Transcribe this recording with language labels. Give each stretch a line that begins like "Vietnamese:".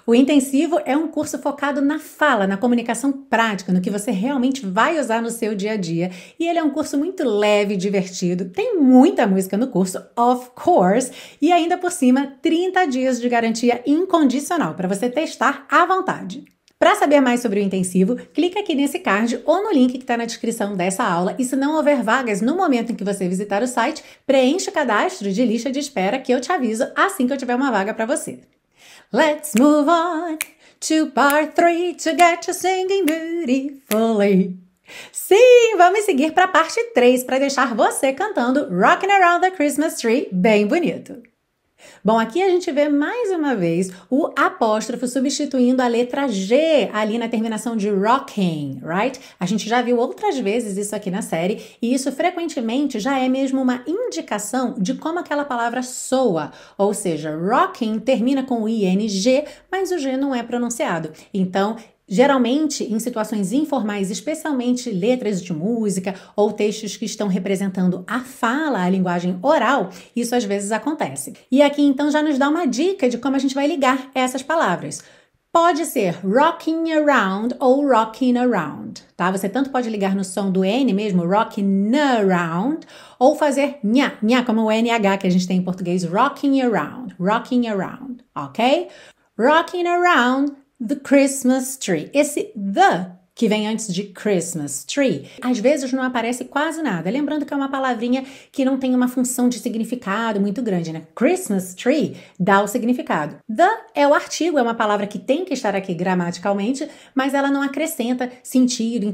Portuguese: O Intensivo é um curso focado na fala, na comunicação prática, no que você realmente vai usar no seu dia a dia, e ele é um curso muito leve e divertido, tem muita música no curso,
English: of course,
Portuguese: e ainda por cima, 30 dias de garantia incondicional para você testar à vontade. Para saber mais sobre o intensivo, clica aqui nesse card ou no link que está na descrição dessa aula. E se não houver vagas no momento em que você visitar o site, preencha o cadastro de lista de espera que eu te aviso assim que eu tiver uma vaga para você.
English: Let's move on to part 3 to get you singing beautifully.
Portuguese: Sim, vamos seguir para a parte 3 para deixar você cantando Rockin' Around the Christmas Tree bem bonito. Bom, aqui a gente vê mais uma vez o apóstrofo substituindo a letra G ali na terminação de rocking, right? A gente já viu outras vezes isso aqui na série e isso frequentemente já é mesmo uma indicação de como aquela palavra soa. Ou seja, rocking termina com o ing, mas o G não é pronunciado. Então, geralmente, em situações informais, especialmente letras de música ou textos que estão representando a fala, a linguagem oral, isso às vezes acontece. E aqui, então, já nos dá uma dica de como a gente vai ligar essas palavras. Pode ser rocking around ou rocking around, tá? Você tanto pode ligar no som do N mesmo, rocking around, ou fazer nha, nha, como o NH que a gente tem em português, rocking around, ok?
English: Rocking around the Christmas tree.
Portuguese: Esse the que vem antes de Christmas tree, às vezes não aparece quase nada. Lembrando que é uma palavrinha que não tem uma função de significado muito grande, né? Christmas tree dá o significado. The é o artigo, é uma palavra que tem que estar aqui gramaticalmente, mas ela não acrescenta sentido.